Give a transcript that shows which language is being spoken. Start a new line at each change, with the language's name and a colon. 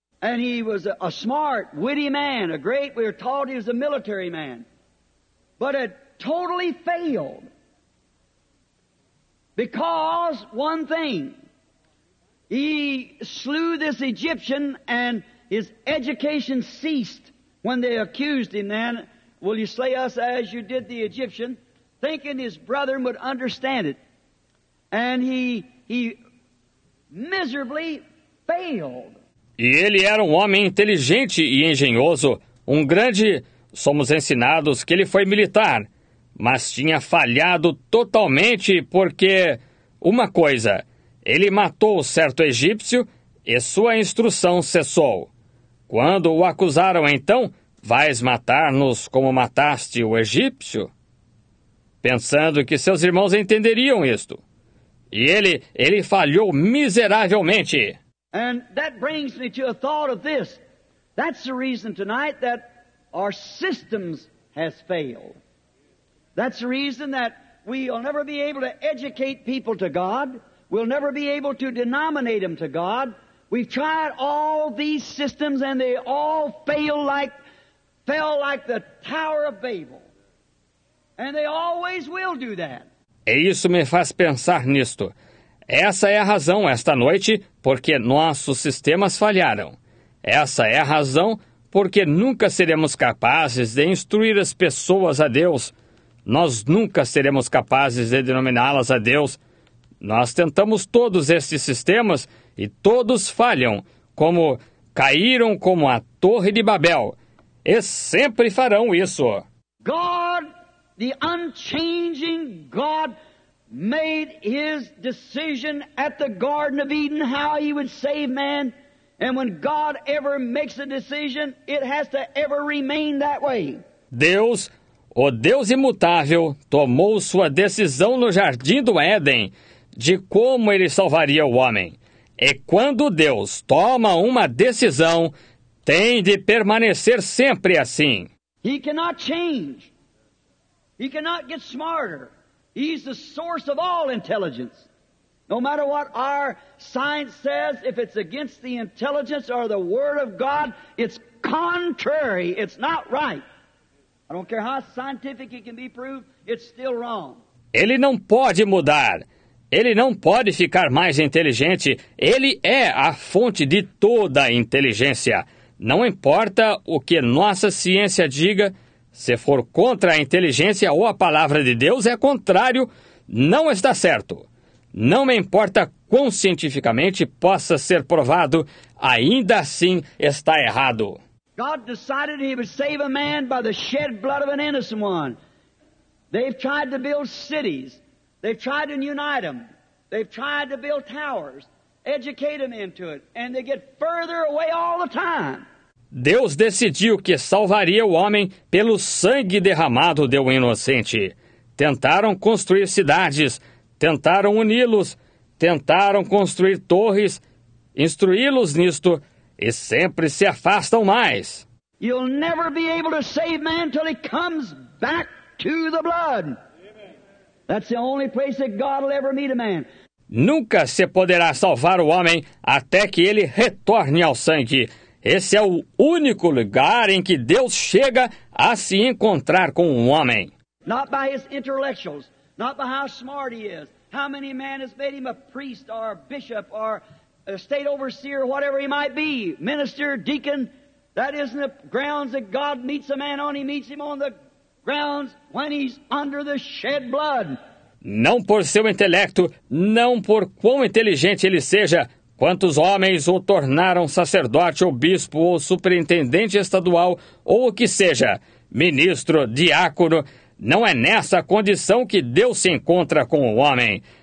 English: And he was a smart, witty man, a great, we were taught he was a military man, but had totally failed. Because one thing, he slew this Egyptian and his education ceased when they accused him then, will you slay us as you did the Egyptian, thinking his brethren would understand it. And he miserably failed.
Portuguese: E ele era um homem inteligente e engenhoso, um grande, somos ensinados que ele foi militar, mas tinha falhado totalmente porque, uma coisa, ele matou certo egípcio e sua instrução cessou. Quando o acusaram então, vais matar-nos como mataste o egípcio? Pensando que seus irmãos entenderiam isto. E ele falhou miseravelmente.
English: And that brings me to a thought of this. That's the reason tonight that our systems has failed. That's the reason that we'll never be able to educate people to God. We'll never be able to denominate them to God. We've tried all these systems and they all fell like the Tower of Babel. And they always will do that.
Portuguese: E isso me faz pensar nisto. Essa é a razão esta noite porque nossos sistemas falharam. Essa é a razão porque nunca seremos capazes de instruir as pessoas a Deus. Nós nunca seremos capazes de denominá-las a Deus. Nós tentamos todos estes sistemas e todos falham, como caíram como a Torre de Babel. E sempre farão isso.
English: God, the unchanging God, made his decision at the Garden of Eden how he would save man. And when God ever makes a decision, it has to ever remain that way.
Portuguese: Deus, o Deus imutável, tomou sua decisão no Jardim do Éden de como ele salvaria o homem. E quando Deus toma uma decisão, tem de permanecer sempre assim.
English: He cannot change. He cannot get smarter. He's the source of all intelligence. No matter what our science says, if it's against the intelligence or the word of God, it's contrary. It's not right. I don't care how scientific it can be proved, it's still wrong.
Portuguese: Ele não pode mudar. Ele não pode ficar mais inteligente. Ele é a fonte de toda inteligência. Não importa o que nossa ciência diga, se for contra a inteligência ou a palavra de Deus, é contrário, não está certo. Não me importa quão cientificamente possa ser provado, ainda assim está errado.
English: God decided he would save a man by the shed blood of an innocent one. They've tried to build cities. They've tried to unite them. They've tried to build towers, educate them into it, and they get further away all the time.
Portuguese: Deus decidiu que salvaria o homem pelo sangue derramado de um inocente. Tentaram construir cidades, tentaram uni-los, tentaram construir torres, instruí-los nisto, e sempre se afastam mais.
English: You'll never be able to save man till he comes back to the blood. That's the only place that God will ever meet a man.
Portuguese: Nunca se poderá salvar o homem até que ele retorne ao sangue. Esse é o único lugar em que Deus chega a se encontrar com um homem.
English: Not by his intellectuals, not by how smart he is, how many men has made him a priest or a bishop or a state overseer, whatever he might be, minister, deacon. That isn't the grounds that God meets a man on. He meets him on the grounds when he's under the shed blood.
Portuguese: Não por seu intelecto, não por quão inteligente ele seja, quantos homens o tornaram sacerdote ou bispo ou superintendente estadual ou o que seja, ministro, diácono, não é nessa condição que Deus se encontra com o homem.